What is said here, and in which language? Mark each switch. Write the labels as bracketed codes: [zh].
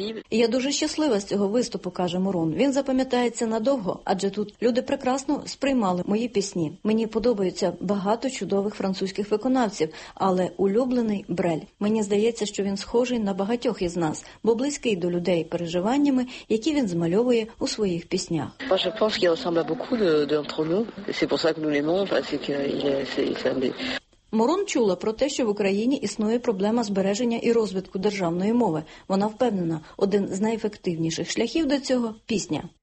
[uk] Я дуже щаслива з цього виступу, каже Мурон. Він запам'ятається надовго, адже тут люди прекрасно сприймали мої пісні. Мені подобаються багато чудових французьких виконавців, але улюблений Брель. Мені здається, що він схожий на багатьох із нас, бо близький до людей переживаннями, які він змальовує у своїх піснях. [fr] Je pense qu'il ressemble beaucoup d'entre nous. C'est pour ça que nous l'aimons, parce qu'il est un des... [uk] Мурон чула про те, що в Україні існує проблема збереження і розвитку державної мови. Вона впевнена, один з найефективніших шляхів до цього – пісня.